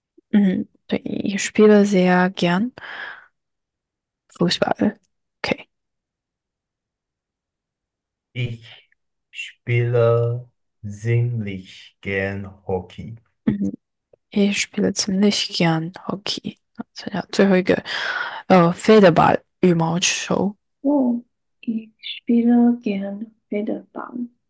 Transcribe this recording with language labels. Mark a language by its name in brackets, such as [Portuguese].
[German] Mhm,对，ich spiele sehr gern Fußball. Ich spiele ziemlich gern Hockey. Ich spiele ziemlich gern Hockey. [Chinese] Also, ja,最后一个，Federball, 羽毛球。 [German] Oh, ich spiele gern Federball.